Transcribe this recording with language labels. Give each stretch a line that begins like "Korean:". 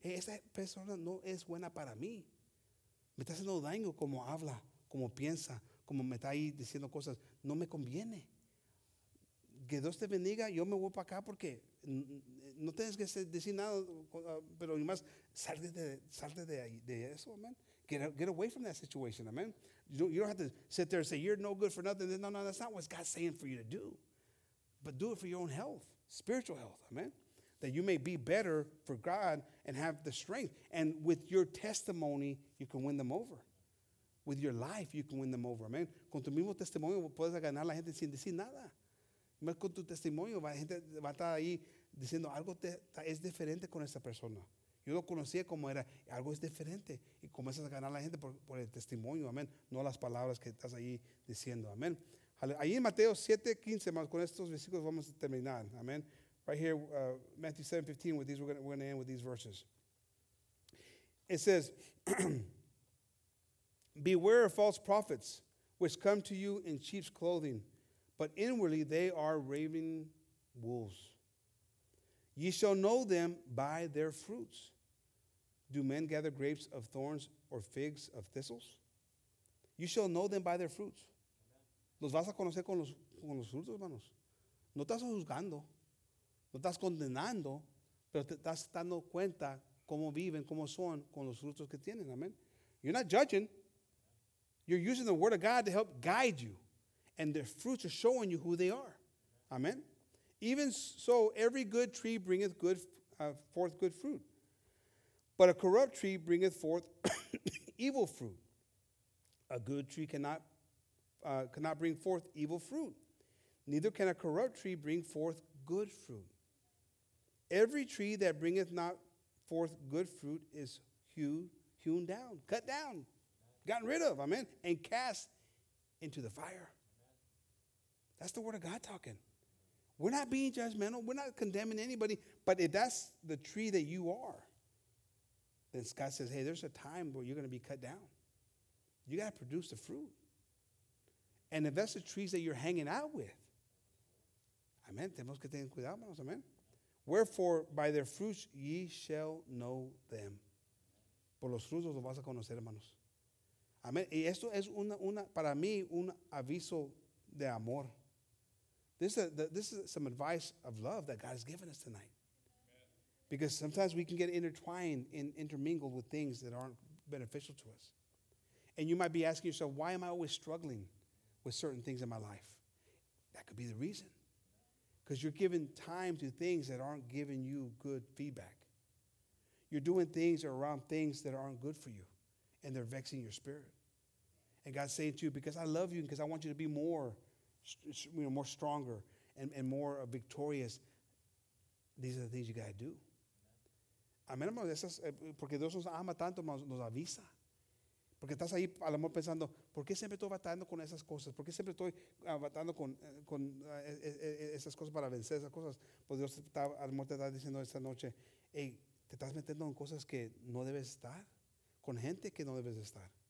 Spanish: Hey, esa persona no es buena para mí. Me está haciendo daño como habla, como piensa, como me está ahí diciendo cosas. No me conviene. Que Dios te bendiga, yo me voy para acá porque no tienes que decir nada, pero más salte de eso, amen.
English: Get away from that situation, amen. You don't have to sit there and say, you're no good for nothing. No, that's not what God's saying for you to do. But do it for your own health, spiritual health, amen. That you may be better for God and have the strength. And with your testimony, you can win them over. With your life, you can win them over, amen.
Spanish: Con tu mismo testimonio, puedes ganar la gente sin decir nada. Más con tu testimonio, la gente va a estar ahí diciendo algo es diferente con esa persona. Yo lo conocía como era, algo es diferente. Y comienzas a ganar a la gente por el testimonio, amén. No las palabras que estás ahí diciendo, amén. Ahí en Mateo 7:15, más con estos versículos vamos a terminar, amén.
English: Right here, Matthew 7:15, with these we're going to end with these verses. It says, beware of false prophets which come to you in sheep's clothing, but inwardly they are ravening wolves. Ye shall know them by their fruits. Do men gather grapes of thorns or figs of thistles? You shall know them by their fruits.
Spanish: Los vas a conocer con los frutos, hermanos. No estás juzgando, no estás condenando, pero te estás dando cuenta cómo viven, cómo son con los frutos que tienen.
English: Amen. You're not judging. You're using the word of God to help guide you. And their fruits are showing you who they are. Amen. Even so, every good tree bringeth forth good fruit. But a corrupt tree bringeth forth evil fruit. A good tree cannot bring forth evil fruit. Neither can a corrupt tree bring forth good fruit. Every tree that bringeth not forth good fruit is hewn down, cut down, gotten rid of, amen, and cast into the fire. That's the word of God talking. We're not being judgmental. We're not condemning anybody. But if that's the tree that you are, then Scott says, hey, there's a time where you're going to be cut down. You got to produce the fruit. And if that's the trees that you're hanging out with, amen,
Spanish: tenemos que tener cuidado, hermanos, amen.
English: Wherefore, by their fruits ye shall know them.
Spanish: Por los frutos los vas a conocer, hermanos. Amen. Y esto es una para mí un aviso de amor.
English: This is some advice of love that God has given us tonight. Because sometimes we can get intertwined and intermingled with things that aren't beneficial to us. And you might be asking yourself, why am I always struggling with certain things in my life? That could be the reason. Because you're giving time to things that aren't giving you good feedback. You're doing things or around things that aren't good for you. And they're vexing your spirit. And God's saying to you, because I love you and because I want you to be more, you know, more stronger and more victorious, these are the things you got to do.
Spanish: Amén, hermano, porque Dios nos ama tanto, nos avisa. Porque estás ahí, al amor, pensando, ¿por qué siempre estoy batallando con esas cosas? ¿Por qué siempre estoy batallando con esas cosas para vencer esas cosas? Pues Dios, al amor, te está diciendo esta noche, hey, te estás metiendo en cosas que no debes estar, con gente que no debes estar.